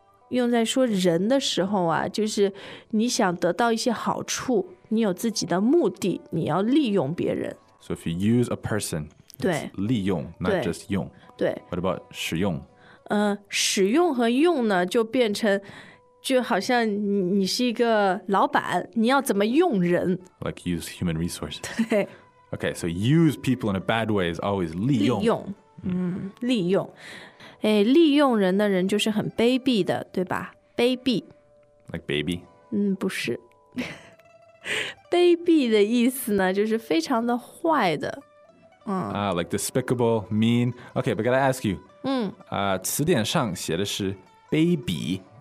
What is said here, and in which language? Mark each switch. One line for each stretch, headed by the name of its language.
Chinese: 用在说人的时候啊就是你想得到一些好处你有自己的目的你要利用别人
English: So if you use a person
Chinese: 对
English: 利用 not just 用
Chinese: 对
English: What about 使用
Chinese: 使用和用呢就变成就好像 你是一个老板你要怎么用人
English: Like use human resources
Chinese: 对
English: Okay so use people in a bad way is always
Chinese: 利用利用、利用利用人的人就是很卑鄙的对吧卑鄙
English: Like baby?
Chinese: 不是卑鄙的意思呢就是非常的坏的、
English: Like despicable, mean Okay, but gotta ask you
Chinese: 词典上写的是卑鄙